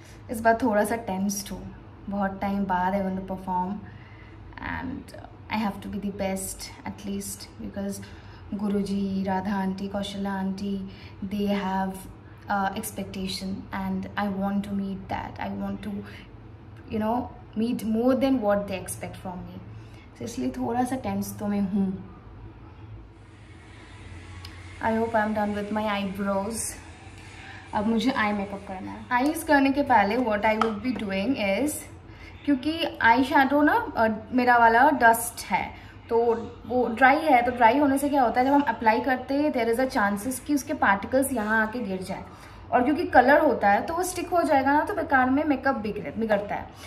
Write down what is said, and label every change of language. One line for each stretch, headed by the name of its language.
Hindi: इस बार थोड़ा सा टेंस्ड हूँ, बहुत टाइम बाद
English: I want to perform and I have to be the best at least because Guruji Radha aunty Kaushala aunty they have expectation and I want to meet that. I want to, you know, meet more than what they expect from me.
Hindi: So इसलिए थोड़ा सा tense तो मैं हूँ.
English: I hope I'm done with my eyebrows.
Hindi: अब मुझे eye makeup करना है. Eyes करने के पहले
English: what I would be doing is
Hindi: क्योंकि eye shadow ना मेरा वाला dust है तो वो ड्राई है, तो ड्राई होने से क्या होता है जब हम अप्लाई करते हैं
English: there is a chances
Hindi: कि उसके पार्टिकल्स यहाँ आके गिर जाए और क्योंकि कलर होता है तो वो स्टिक हो जाएगा ना, तो बेकार में मेकअप बिगड़ता है.